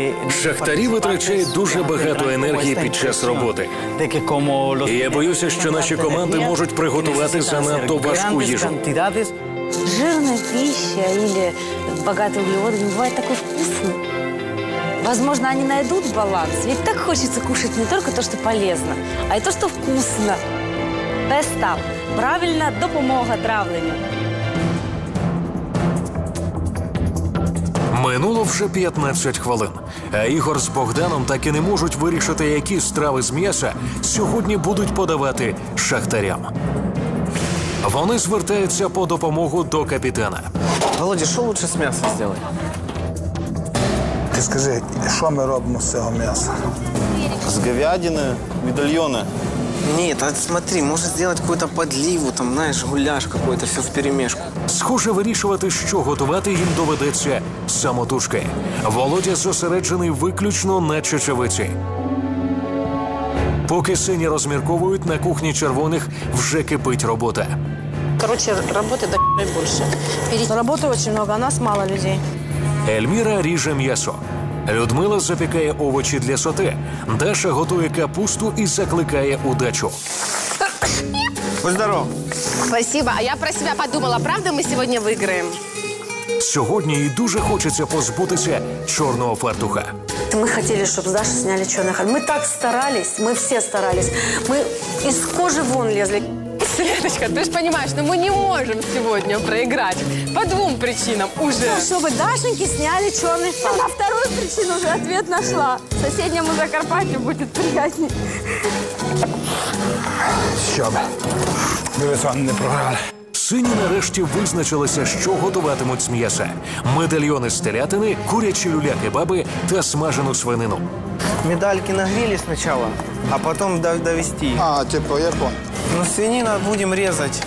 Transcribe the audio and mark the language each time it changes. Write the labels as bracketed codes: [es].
[uk] Шахтарі витрачають дуже багато енергії під час роботи. І я боюся, що наші команди можуть приготувати занадто важку їжу. Жирна піща або багато вуглеводів не буває такою вкусною. [ru] Возможно, они найдут баланс. Ведь так хочется кушать не только то, что полезно, а и то, что вкусно. [uk] Best up. Правильно, допомога травленню. Минуло вже 15 хвилин. А Ігор з Богданом так і не можуть вирішити, які страви з м'яса сьогодні будуть подавати шахтарям. Вони звертаються по допомогу до капітана. Володя, що лучше з м'яса зробити? [ru] И скажи, что мы делаем с этого мяса? С говядины, медальоны. Нет, смотри, можешь сделать какую-то подливу, там, знаешь, гуляш какой-то, все вперемешку. [uk] Схоже, вирішувати, [ru] что готовить [uk] им доведеться самотужки. Володя зосереджений виключно на чечевиці. Поки сині розмірковують, на кухні червоних вже кипить робота. Короче, роботи дохуя больше. [ru] Роботи очень много, а нас мало людей. [uk] Ельміра ріже м'ясо. Людмила запікає овочі для соте. Даша готує капусту і закликає удачу. Будь здоров. [ru] Спасибо. [uk] А я про себе подумала, правда ми сьогодні виграємо? Сьогодні їй дуже хочеться позбутися чорного фартуха. Ми хотіли, щоб з Даші зняли чорний фартух. Ми так старались, ми всі старались. Ми із кожи вон лізли. [ru] Светочка, ты же понимаешь, но мы не можем сегодня проиграть. По двум причинам уже. Ну, чтобы Дашеньке сняли черный фартук. На вторую причину уже ответ нашла. Соседнему Закарпатью будет приятнее. Еще бы. Мы с вами не програли. [uk] Сині нарешті визначилися, що готуватимуть з м'яса. Медальйони з телятини, курячі люля-кебаби та смажену свинину. Медальки нагріли спочатку, а потім довести. [ru] А, типу, я понял. [uk] Ну, свинину будемо резати,